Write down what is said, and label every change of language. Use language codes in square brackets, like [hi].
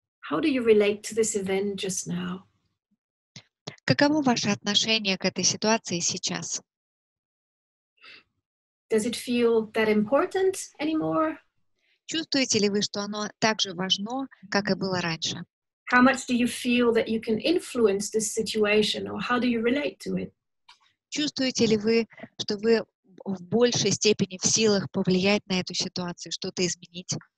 [en] How do you relate to this event just now? [ru] Каково ваше отношение к этой ситуации сейчас? [en] Does it feel that important anymore? [ru] Чувствуете ли вы, что оно так же важно, как и было раньше? [en] How much do you feel that you can influence this situation, or how do you relate to it? [ru] Чувствуете ли вы, что вы в большей степени в силах повлиять на эту ситуацию, что-то изменить?